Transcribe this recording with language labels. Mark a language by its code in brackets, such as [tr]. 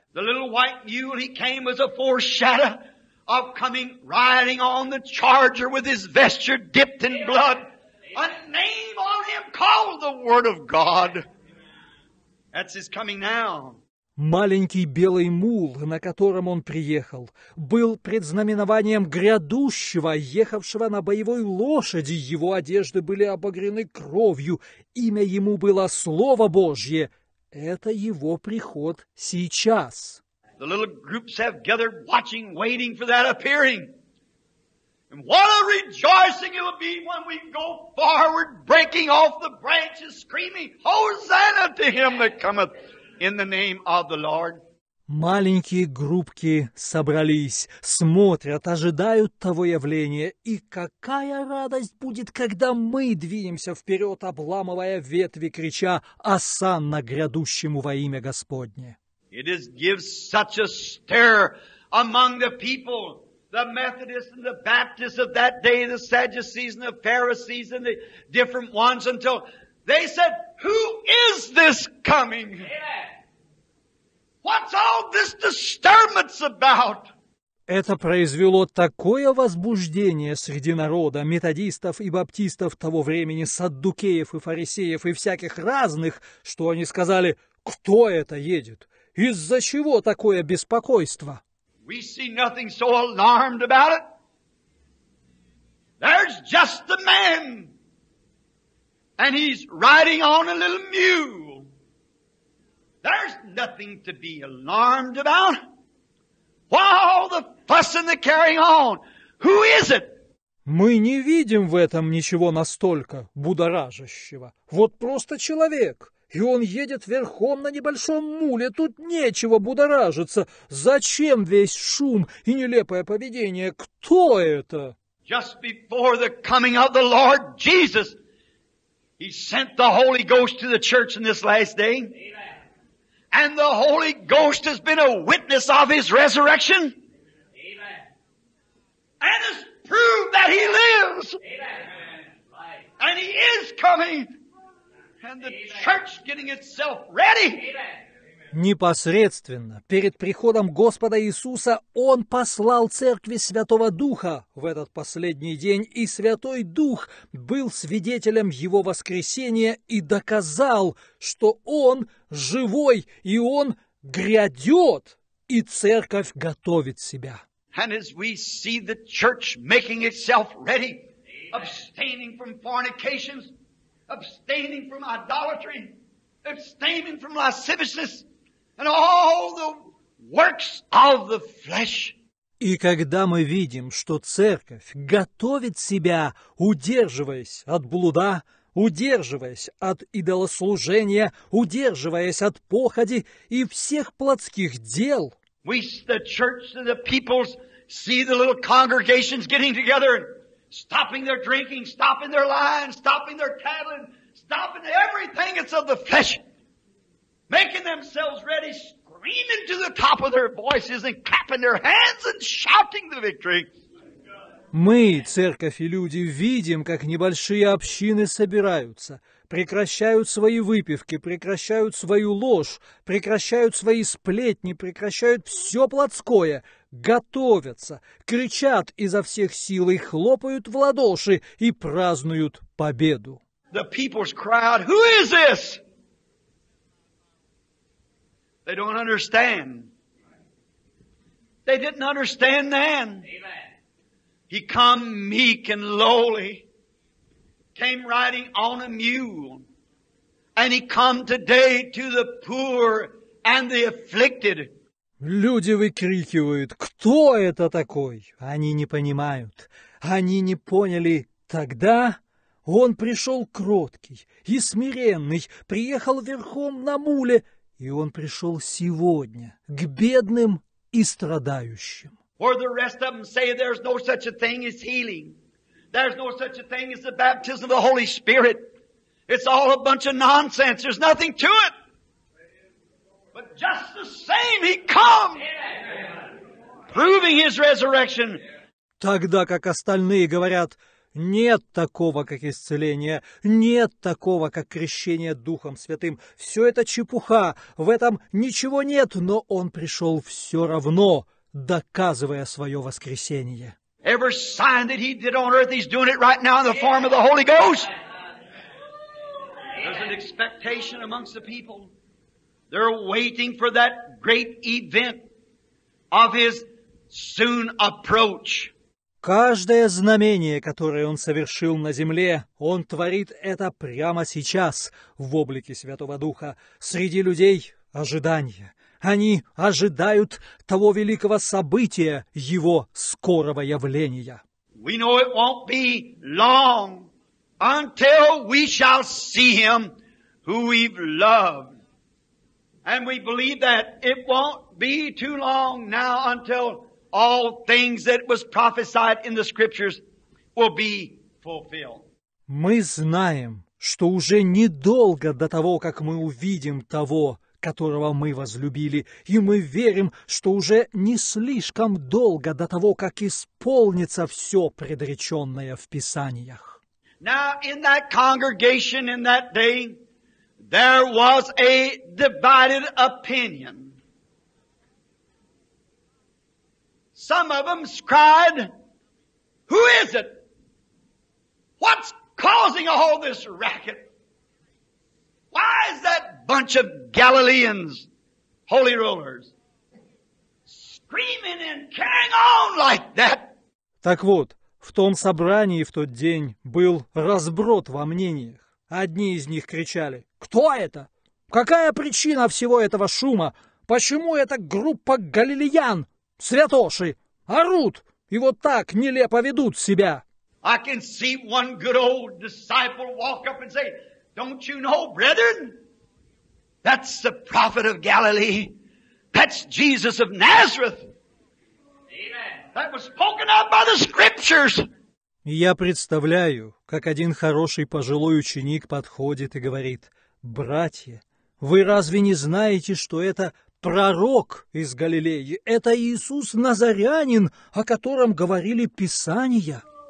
[en] The little white mule, he came as a foreshadow of coming riding on the charger with his vesture dipped in blood. A name on him called the Word of God. That's his coming now. [ru] Маленький белый мул, на котором он приехал, был предзнаменованием грядущего, ехавшего на боевой лошади. Его одежды были обогрены кровью. Имя ему было Слово Божье. Это его приход сейчас. [en] The little groups have gathered, watching, waiting for that appearing. And what a rejoicing it will be when we go forward, breaking off the branches, screaming, Hosanna to him that cometh. In the name of the Lord. [ru] Маленькие группки собрались, смотрят, ожидают того явления. И какая радость будет, когда мы двинемся вперед, обламывая ветви, крича «Осанна грядущему во имя Господне!» [en] It is gives such a stir among the people, the Methodists and the Baptists of that day, the Sadducees and the Pharisees and the different ones, until they said, Who is this coming? What's all this disturbance about? [ru] Это произвело такое возбуждение среди народа, методистов и баптистов того времени, саддукеев и фарисеев и всяких разных, что они сказали, кто это едет? Из-за чего такое беспокойство? [en] We see nothing so alarmed about it. There's just a man. And he's riding on a little mule. There's nothing to be alarmed about. Why all the fuss and the carrying on? Who is it? [ru] Мы не видим в этом ничего настолько будоражащего. Вот просто человек, и он едет верхом на небольшом муле. Тут нечего будоражиться. Зачем весь шум и нелепое поведение? Кто это? [en] Just before the coming of the Lord Jesus. He sent the Holy Ghost to the church in this last day. Amen. And the Holy Ghost has been a witness of His resurrection. Amen. And has proved that He lives. Amen. And He is coming. And the Amen. Church getting itself ready. Amen. [ru] Непосредственно перед приходом Господа Иисуса Он послал Церкви Святого Духа в этот последний день, и Святой Дух был свидетелем Его воскресения и доказал, что Он живой, и Он грядет, и Церковь готовит себя. [en] And as we see the church making itself ready, abstaining from fornications, abstaining from idolatry, abstaining from lasciviousness, and all the works of the flesh. [ru] И когда мы видим, что церковь готовит себя, удерживаясь от блуда, удерживаясь от идолослужения, удерживаясь от похоти и всех плотских дел, [en] we see the church and the peoples see the little congregations getting together and stopping their drinking, stopping their lying, stopping their tattling, stopping everything that's of the flesh, making themselves ready, screaming to the top of their voices and clapping their hands and shouting the victory. [ru] Мы, церковь и люди, видим, как небольшие общины собираются, прекращают свои выпивки, прекращают свою ложь, прекращают свои сплетни, прекращают все плотское, готовятся, кричат изо всех сил и хлопают в ладоши и празднуют победу. [en] The people's crowd, who is this? They don't understand. They didn't understand then. Amen. He come meek and lowly, came riding on a mule, and he come today to the poor and the afflicted. [ru] Люди выкрикивают, кто это такой? Они не понимают. Они не поняли, Тогда он пришел кроткий и смиренный, приехал верхом на муле, и он пришел сегодня к бедным и страдающим. [en] Or the rest of them say there's no such a thing as healing. There's no such a thing as the baptism of the Holy Spirit. It's all a bunch of nonsense. There's nothing to it. But just the same, he come, proving his resurrection. [ru] Тогда как остальные говорят, нет такого, как исцеление, нет такого, как крещение Духом Святым. Все это чепуха, в этом ничего нет, но он пришел все равно, доказывая свое воскресение. [en] Every sign that he did on earth, he's doing it right now in the form of the Holy Ghost. There's an expectation amongst the people. They're waiting for that great event of his soon approach. [ru] Каждое знамение, которое он совершил на земле, он творит это прямо сейчас в облике Святого Духа. Среди людей ожидание. Они ожидают того великого события, его скорого явления. [en] We know it won't be long until we shall see him who we've loved. And we believe that it won't be too long now until all things that was prophesied in the scriptures will be fulfilled. [ru] Мы знаем, что уже недолго до того, как мы увидим того, которого мы возлюбили, и мы верим, что уже не слишком долго до того, как исполнится все предреченное в Писаниях. [en] Now, in that congregation in that day, there was a divided opinion. Some of them cried, who is it? What's causing all this racket? Why is that bunch of Galileans, holy rollers, screaming and carrying on like that? [ru] Так вот, в том собрании в тот день был разброд во мнениях. Одни из них кричали, кто это? Какая причина всего этого шума? Почему эта группа галилеян, святоши, орут и вот так нелепо ведут себя? [en] I can see one good old disciple walk up and say, don't you know, brethren? That's the prophet of Galilee. That's Jesus of Nazareth. Amen. That was spoken of by the scriptures. [ru] Я представляю, как один хороший пожилой ученик подходит и говорит, братья, вы разве не знаете, что это пророк из Галилеи? Это Иисус Назарянин, о котором говорили Писания.